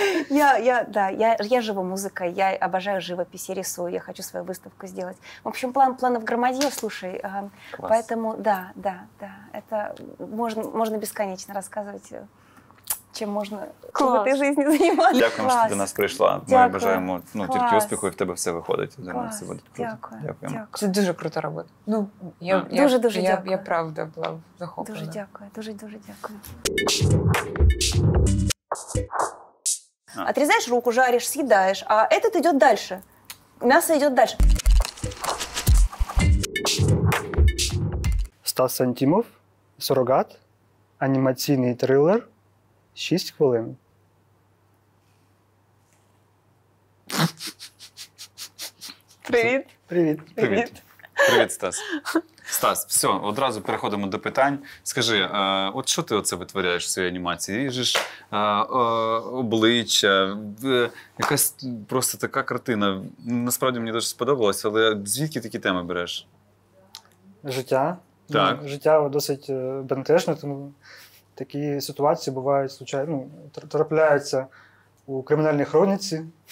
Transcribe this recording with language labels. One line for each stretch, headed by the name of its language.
Russian: Я живу музыкой, я обожаю живопись, я рисую, я хочу свою выставку сделать. В общем, планов громадье, слушай. Класс. Поэтому да. Это можно бесконечно рассказывать, чем можно в этой жизни заниматься.
Ukrainian: Дякую,
Russian: класс. Что ты до нас пришла.
Ukrainian: Дякую. Мы бажаємо, ну, тільки успіху, и в тебе все виходить. Думаю, все буде круто. Дякую. Це дуже крута робота. Ну, я правда була захоплена. Дуже дякую.
Russian: Отрезаешь руку, жаришь, съедаешь, а этот идет дальше. Мясо идет дальше.
Ukrainian: Стас Сантимов, «Суррогат», анимаційний трилер, 6 хвилин.
Russian: Привет. Привет. Привет. Привет, Стас.
Ukrainian: Стас, все, одразу переходимо до питань. Скажи, от що ти оце витворяєш в своїй анімації? Ріжеш обличчя, якась просто така картина. Насправді мені дуже сподобалось, але звідки такі теми береш? Життя. Так. Життя досить бентежне, тому такі ситуації бувають, звичайно, ну, трапляються у кримінальній хроніці.